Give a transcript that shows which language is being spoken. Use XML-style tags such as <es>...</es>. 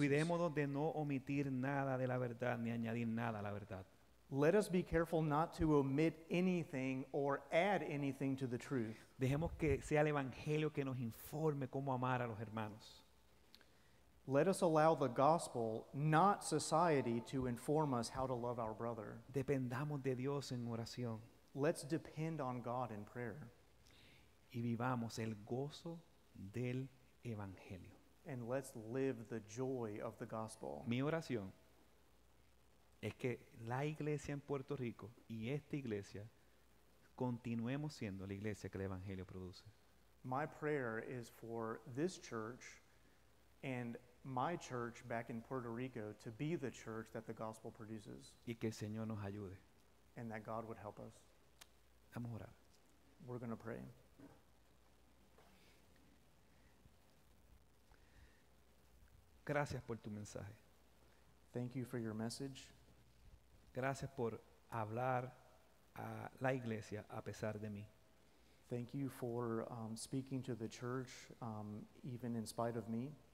<es>Cuidémonos de no omitir nada de la verdad ni añadir nada a la verdad.</es> <en>Let us be careful not to omit anything or add anything to the truth.</en> <es>Dejemos que sea el Evangelio que nos informe cómo amar a los hermanos.</es> <en>Let us allow the gospel, not society, to inform us how to love our brother.</en> <es>Dependamos de Dios en oración.</es> <en>Let's depend on God in prayer.</en> <es>Y vivamos el gozo del Evangelio.</es> <en>And let's live the joy of the gospel.</en> <es>Mi oración es que la iglesia en Puerto Rico y esta iglesia continuemos siendo la iglesia que el Evangelio produce.</es> <en>My prayer is for this church and my church back in Puerto Rico to be the church that the gospel produces.</en> <es>Y que el Señor nos ayude.</es> <en>And that God would help us.</en> <es>Vamos a orar.</es> <en>We're going to pray.</en> <es>Gracias por tu mensaje.</es> <en>Thank you for your message.</en> <es>Gracias por hablar a la iglesia a pesar de mí.</es> <en>Thank you for speaking to the church even in spite of me.</en>